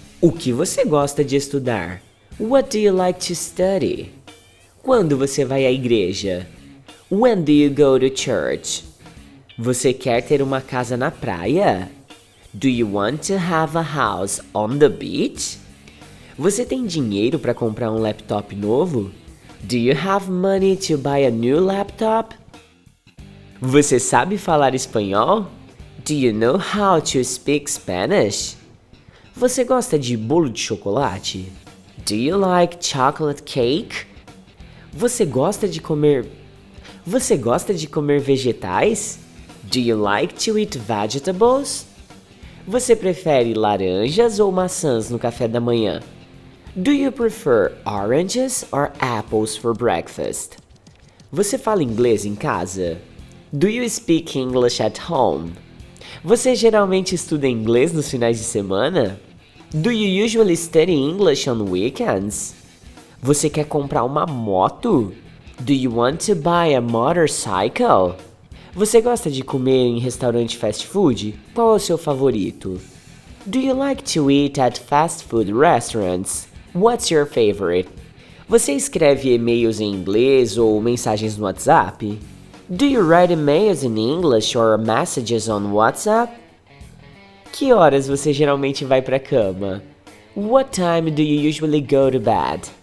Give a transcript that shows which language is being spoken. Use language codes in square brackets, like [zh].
[pt] O que você gosta de estudar? [en] What do you like to study? [pt] Quando você vai à igreja? [en] When do you go to church? [pt] Você quer ter uma casa na praia? [en] Do you want to have a house on the beach? [pt] Você tem dinheiro para comprar um laptop novo? [en] Do you have money to buy a new laptop? [pt] Você sabe falar espanhol? [en] Do you know how to speak Spanish? [pt] Você gosta de bolo de chocolate? [en] Do you like chocolate cake? [pt] Você gosta de comer vegetais? [en] Do you like to eat vegetables? [pt] Você prefere laranjas ou maçãs no café da manhã? [en] Do you prefer oranges or apples for breakfast? [pt] Você fala inglês em casa? [en] Do you speak English at home? [pt] Você geralmente estuda inglês nos finais de semana? [en] Do you usually study English on weekends? [pt] Você quer comprar uma moto? [en] Do you want to buy a motorcycle? [pt] Você gosta de comer em restaurante fast food? Qual é o seu favorito? [en] Do you like to eat at fast food restaurants? What's your favorite? [pt] Você escreve e-mails em inglês ou mensagens no WhatsApp? [en] Do you write emails in English or messages on WhatsApp? [pt] Que horas você geralmente vai para a cama? [en] What time do you usually go to bed?